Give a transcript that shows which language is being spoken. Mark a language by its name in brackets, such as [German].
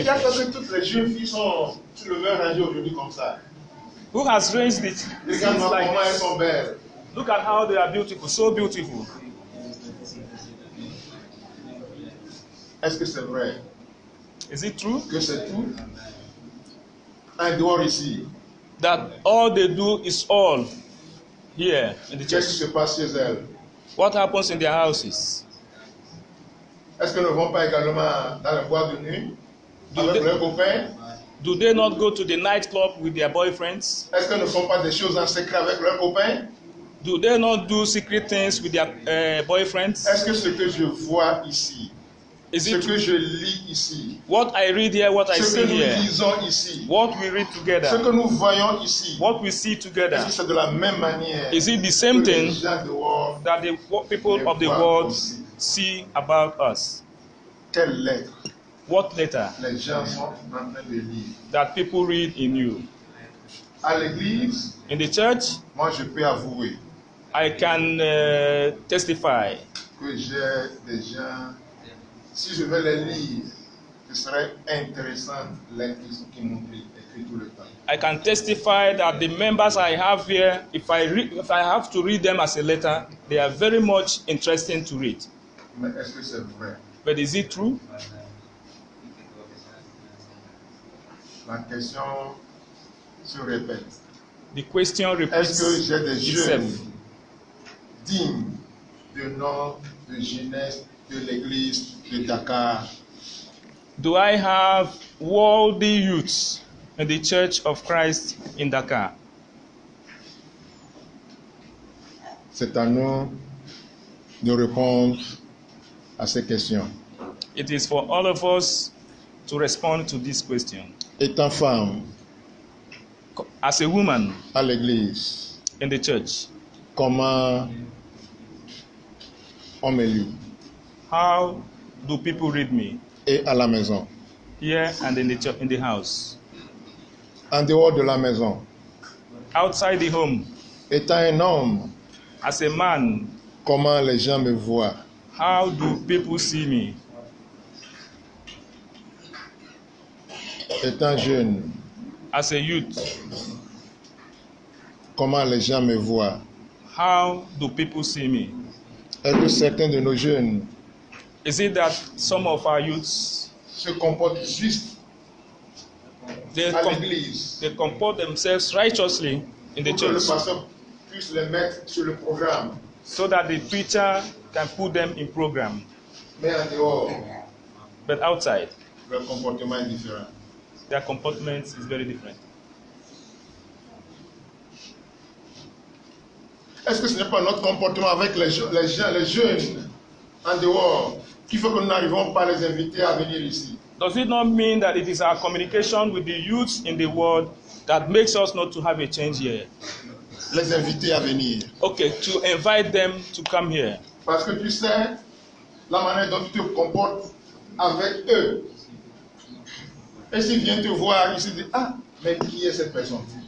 [French] Regarde parce que toutes les jeunes filles sont sur le même rangé aujourd'hui comme ça. [English] Who has raised it? Like look at how they are beautiful, so beautiful. [French] Est-ce que c'est vrai? [English] Is it true? [French] Que c'est tout? [English] I do all [French] ici. [English] That all they do is all here in the church. [French] Qu'est-ce qui se passe chez elles? [English] What happens in their houses? [French] Est-ce que ne vont pas également dans la boîte de nuit avec leurs copains? [English] Do they not go to the nightclub with their boyfriends? [French] Est-ce qu'ils ne font pas des choses en secret avec leurs copains? [English] Do they not do secret things with their boyfriends? [French] Est-ce que ce que je vois ici, [English] is [French] ce [English] it [French] que je lis ici, [English] what I read here, what I see here, [French] ce que nous lisons ici, [English] what we read together, [French] ce que nous voyons ici, [English] what we see together, [French] est-ce que c'est de la même manière, [English] is it the same thing world, that the people of the world [French] aussi [English] see about us? [French] Quelle lettre? [English] What letter [French] les gens sont en train de lire. [English] That people read in you? [French] À l'église, [English] in the church, [French] moi je peux avouer, [English] I can testify [French] que j'ai des gens, si je vais les lire, ce serait intéressant l'église qui m'ouvre écrit tout le temps. [English] I can testify that the members I have here, if I have to read them as a letter, they are very much interesting to read. [French] Mais est-ce que c'est vrai? [English] But is it true? [French] La question se répète. [English] The question repeats. [French] Est-ce que j'ai des jeunes dignes du nom de jeunesse de l'église de Dakar? [English] Do I have worldly youths in the Church of Christ in Dakar? [French] C'est à nous de répondre à ces questions. [English] It is for all of us to respond to this question. [French] Étant femme, [English] as a woman, [French] à l'église, [English] in the church, [French] comment on me lit? [English] How do people read me? [French] Et à la maison, [English] here and in the house, [French] en dehors de la maison, [English] outside the home, [French] étant un homme, [English] as a man, [French] comment les gens me voient? [English] How do people see me? [French] Étant jeune, [English] as a youth, [French] comment les gens me voient? [English] How do people see me? [French] Est-ce que certains de nos jeunes, [English] is it that some of our youths, [French] se comportent juste l'église? [English] They comport themselves righteously in the church. [French] Pour que le pasteur puisse les mettre sur le programme. [English] So that the preacher can put them in program. [French] Mais en dehors, [English] but outside, [French] leur comportement est différent. [English] Their comportment is very different. [French] Est-ce que ce n'est pas notre comportement avec les jeunes en dehors qui fait que nous n'arrivons pas à les inviter à venir ici? [English] Does it not mean that it is our communication with the youth in the world that makes us not to have a change here? [French] Les inviter à venir. [English] Okay, to invite them to come here. [French] Parce que tu sais la manière dont tu te comportes avec eux. Et s'ils viennent te voir, ils se disent, ah, mais qui est cette personne?